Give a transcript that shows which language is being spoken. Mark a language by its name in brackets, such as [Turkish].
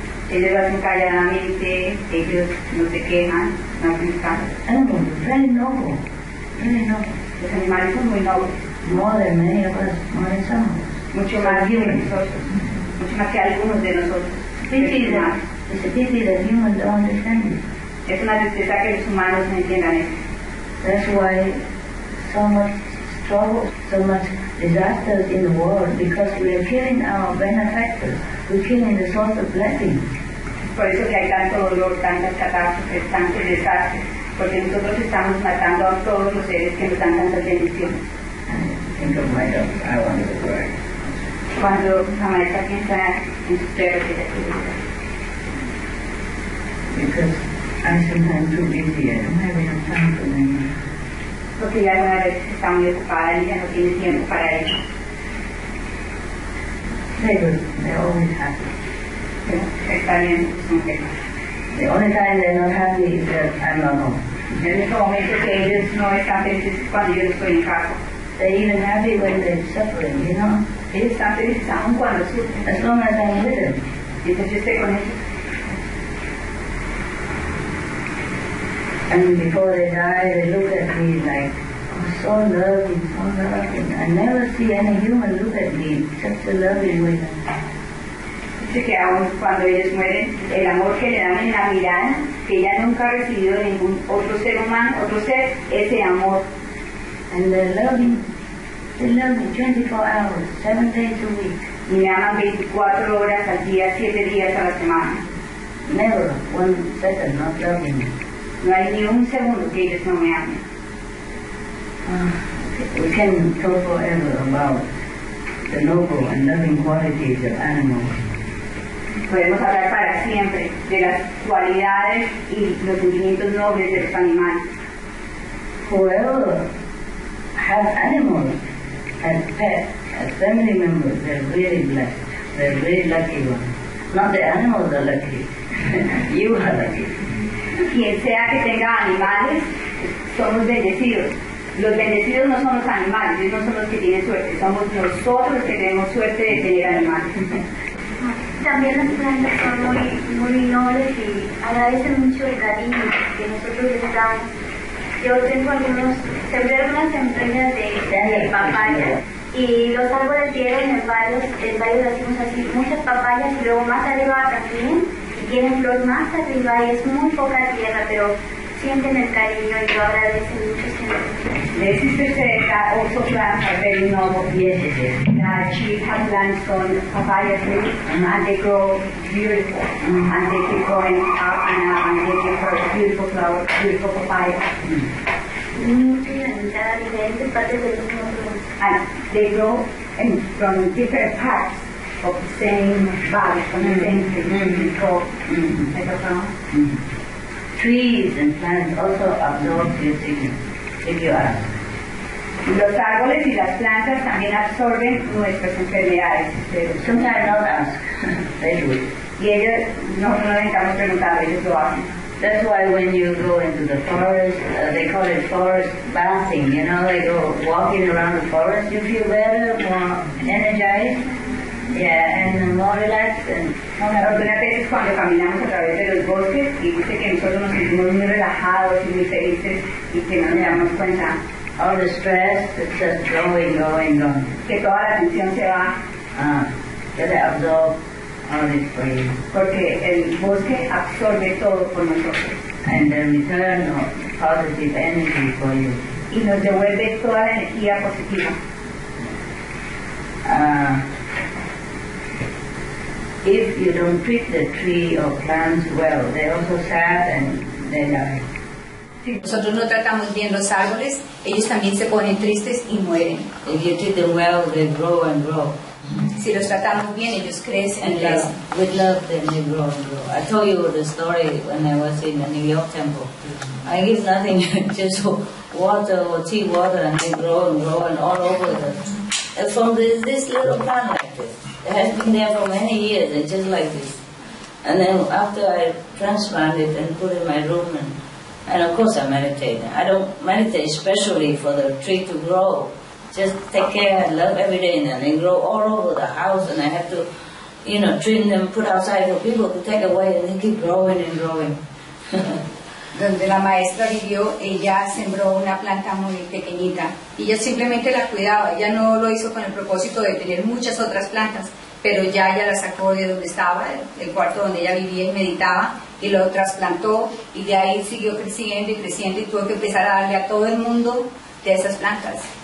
[Spanish] Ellos lo hacen calladamente, ellos no se quejan, no se quejan. [English] Animals are very noble, really noble. [Spanish] Los animales son muy nobles. [English] More than many of us, more than some of us. [Spanish] Mucho más que nosotros, mucho más que algunos de nosotros. [English] It's a pity that humans don't understand it. [Spanish] Es una tristeza que los humanos no entiendan esto. [English] That's why so much trouble, so much disasters in the world, because we are killing our benefactors. We're killing the source of blessing. [Spanish] Por eso que hay tanto dolor, tantas catástrofes, tantos desastres, porque nosotros estamos matando a todos los seres que nos dan tantas bendiciones. [English] Think of my dog. I want to cry. [Spanish] Cuando la maestra piensa en sus perros, ella quiere llorar. [English] Because I'm sometimes too busy. I don't have enough time for them. [Spanish] Porque ya una vez está muy ocupada y ya no tiene tiempo para ella. [English] They're always happy. Yeah. The only time they're not happy is that I'm not home. [Spanish] En estos momentos que ellos no están felices cuando yo estoy en casa. [English] They're even happy when they're suffering, you know. [Spanish] Ellos están felices aún cuando sufren. [English] As long as I'm with them. [Spanish] Mientras yo esté con ellos. [English] And before they die, they look at me like, so loving, so loving. I never see any human look at me in such a loving way. [Spanish] Dice que aun cuando ellos mueren, el amor que le dan en la mirada, que ya nunca ha recibido ningún otro ser humano, otro ser, ese amor. [English] And they love me 24 hours, 7 days a week. [Spanish] Y me aman 24 horas al día, 7 días a la semana. [English] Never one second not loving me. [Spanish] No hay ni un segundo que ellos no me amen. [English] We can talk forever about the noble and loving qualities of animals. [Spanish] Podemos hablar para siempre de las cualidades y los sentimientos nobles de los animales. [English] Whoever has animals as pets, as family members, they're really blessed. They're really lucky ones. Not the animals are lucky. You are lucky. [Spanish] Quien sea que tenga animales, somos bendecidos. Los bendecidos no son los animales, ellos no son los que tienen suerte, somos nosotros los que tenemos suerte de tener animales. También las plantas son muy, muy nobles y agradecen mucho el cariño que nosotros les damos. Yo tengo algunos, sembré unas semillas de papayas y los árboles tienen en el barrio, decimos así, muchas papayas y luego más arriba también, y tienen flor más arriba y es muy poca tierra, pero sienten el cariño y lo agradecen mucho siempre. [English] This is Priscilla, also plants are very noble. Yes, it is. She has plants on papaya tree, and they grow beautiful. Mm-hmm. And they keep growing up and up, and they give her beautiful flowers, beautiful papaya. And they grow from different parts of the same valley, from the same tree. Mm-hmm. So, mm-hmm. trees and plants also absorb this signal, if you ask. [Spanish] Los árboles y las plantas también absorben nuestras enfermedades. [English] Sometimes not ask. They do it. [Spanish] Y ellos no necesitamos preguntar, ellos lo hacen. [English] That's why when you go into the forest, they call it forest bathing, you know, they go walking around the forest, you feel better, more energized, yeah, and more relaxed. And [Spanish] algunas veces cuando caminamos a través de los bosques y dice que nosotros nos sentimos muy relajados y muy felices y que no nos damos cuenta. [English] All the stress is just going. [Spanish] Que toda la tensión se va. [English] Just absorb all this for you. [Spanish] Porque el bosque absorbe todo por nosotros. [English] And then return positive energy for you. [Spanish] Y nos devuelve toda la energía positiva. [English] If you don't treat the tree or plants well, they're also sad and they die. [Spanish] Nosotros no tratamos bien los árboles, ellos también se ponen tristes y mueren. [English] If you treat them well, they grow and grow. [Spanish] Si los tratamos bien, ellos crecen [English] and [Spanish] crecen. [English] With love, then they grow and grow. I told you the story when I was in the New York temple. I give nothing, just water or tea water, and they grow and grow and all over them. From this little plant like this, it has been there for many years, and just like this. And then after I transplanted and put in my room, and of course I meditate. I don't meditate specially for the tree to grow. Just take care and love every day, and then they grow all over the house, and I have to, you know, trim them, put outside for people to take away, and they keep growing and growing. [Spanish] Donde la maestra vivió, ella sembró una planta muy pequeñita, y ella simplemente la cuidaba. Ella no lo hizo con el propósito de tener muchas otras plantas, pero ya ella la sacó de donde estaba, el cuarto donde ella vivía y meditaba, y lo trasplantó, y de ahí siguió creciendo y creciendo, y tuvo que empezar a darle a todo el mundo de esas plantas.